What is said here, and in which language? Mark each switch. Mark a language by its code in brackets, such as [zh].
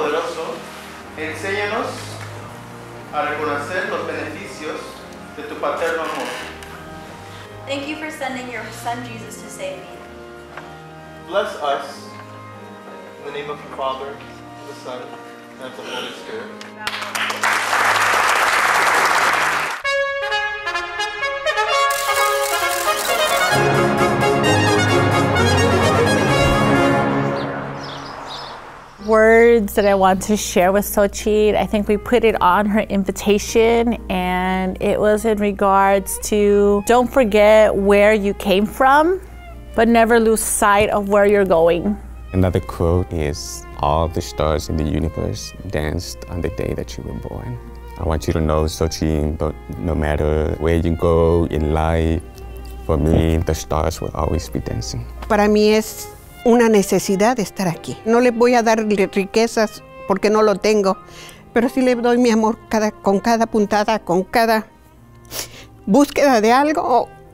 [es] Enséñanos a reconocer los beneficios de tu paterno amor. [en] Thank you for sending your son Jesus to save me. Bless us in the name of the Father, and the Son, and the Holy Spirit. Words that I want to share with Xochitl. I think we put it on her invitation, and it was in regards to don't forget where you came from, but never lose sight of where you're going. Another quote is, all the stars in the universe danced on the day that you were born. I want you to know, Xochitl, but no matter where you go in life, for me, the stars will always be dancing. [es] Para mí es una necesidad de estar aquí. No les voy a dar riquezas porque no lo tengo, pero sí le doy mi amor con cada puntada, con cada búsqueda de algo.